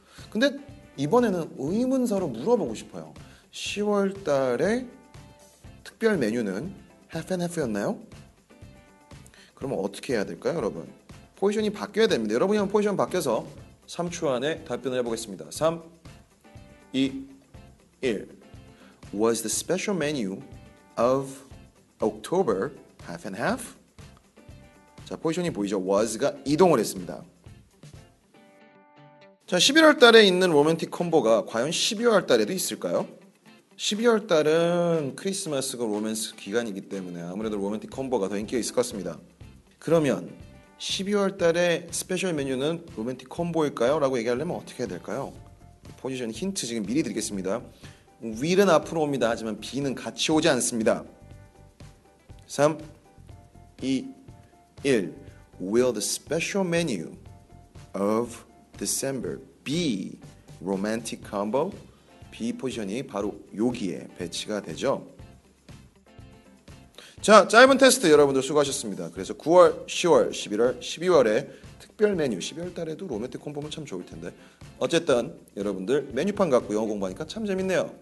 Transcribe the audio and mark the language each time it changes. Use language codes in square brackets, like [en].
[ko] 근데 이번에는 의문사로 물어보고 싶어요. 10월 달에 특별 메뉴는 half and half였나요? 그러면 어떻게 해야 될까요, 여러분? 포지션이 바뀌어야 됩니다. 여러분이 한번 포지션 바뀌어서 3초 안에 답변을 해보겠습니다. 3, 2, 1. [en] Was the special menu of October half and half? [ko] 자, 포지션이 보이죠? was가 이동을 했습니다. 자, 11월 달에 있는 로맨틱 콤보가 과연 12월 달에도 있을까요? 12월 달은 크리스마스가 로맨스 기간이기 때문에 아무래도 로맨틱 콤보가 더 인기가 있을 것 같습니다. 그러면 12월 달에 스페셜 메뉴는 로맨틱 콤보일까요? 라고 얘기하려면 어떻게 해야 될까요? 포지션 힌트 지금 미리 드리겠습니다. will은 앞으로 옵니다. 하지만 be는 같이 오지 않습니다. 3, 2, 1. [en] Will the special menu of December be romantic combo? [ko] B 포지션이 바로 여기에 배치가 되죠. 자, 짧은 테스트 여러분들 수고하셨습니다. 그래서 9월, 10월, 11월, 12월에 특별 메뉴, 12월 달에도 로맨틱 콤보면 참 좋을 텐데. 어쨌든 여러분들 메뉴판 갖고 영어 공부하니까 참 재밌네요.